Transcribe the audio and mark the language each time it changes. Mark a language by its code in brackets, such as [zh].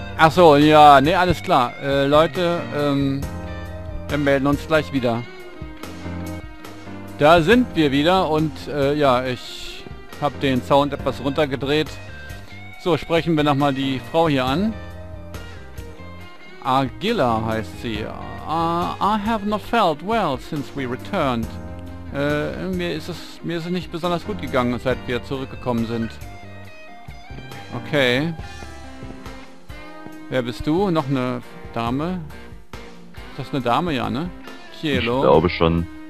[de] Ach so, ja, nee, alles klar. Leute, wir melden uns gleich wieder. Da sind wir wieder und ich hab den Sound etwas runtergedreht. So, sprechen wir nochmal die Frau hier an. Agila heißt sie. [en] I have not felt well since we returned. [de] Mir ist es nicht besonders gut gegangen, seit wir zurückgekommen sind. Okay. Wer bist du? Noch eine Dame? Das ist eine Dame, ja, ne? Cielo. Ich glaube schon.